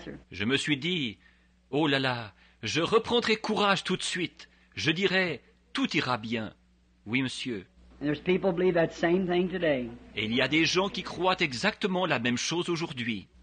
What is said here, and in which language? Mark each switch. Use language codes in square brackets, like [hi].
[fr] Je me suis dit, oh là là, je reprendrai courage tout de suite. Je dirais, tout ira bien. Oui, monsieur. [en] And there's people believe that same thing today. [fr] Et il y a des gens qui croient exactement la même chose aujourd'hui.